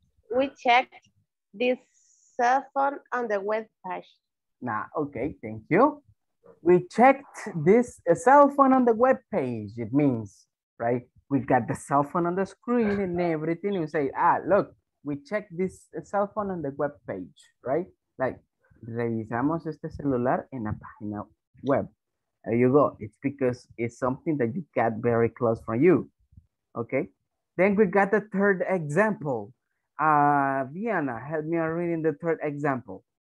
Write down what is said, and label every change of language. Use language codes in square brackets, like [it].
[en] We checked this cell phone on the webpage. Nah, okay, thank you. We checked this cell phone on the webpage, it means, right? We got the cell phone on the screen and everything. You say, look, we checked this cell phone on the webpage, right? [es] Like, revisamos este celular en la página web. [en] There you go. It's because it's something that you get very close from you. Okay. Then we got the third example. Viana, help me on reading the third example.